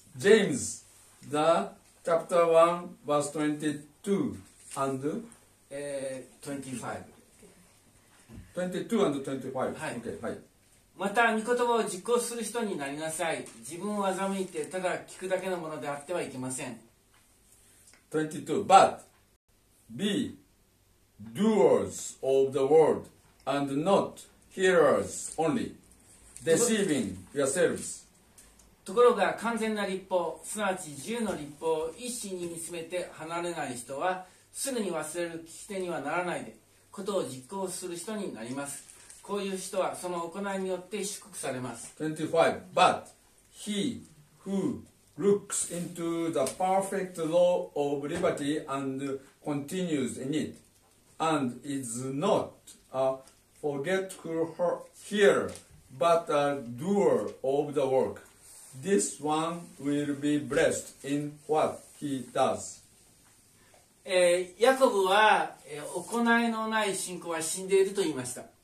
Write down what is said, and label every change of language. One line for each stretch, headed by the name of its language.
English: ジェームズ、The Chapter 1, Verse 22 and 25。 22 and 25?
Japanese: OK。 はい。また、御言葉を実行する人になりなさい。自分を欺いて、ただ聞くだけのものであってはいけません。
English: 22 But be doers of the word and not hearers only, deceiving yourselves.
Japanese: ところが完全な律法、すなわち十の律法を一心に見つめて離れない人は、すぐに忘れる聞き手にはならないで、ことを実行する人になります。こういう人はその行いによって祝福されます。
English: 25 But he whoLooks into the perfect law of liberty and continues in it, and is not a forgetful hearer, but a doer of the work. This one will be blessed in what he does.
Japanese: ヤコブは、行いのない信仰は死んでいると言いました。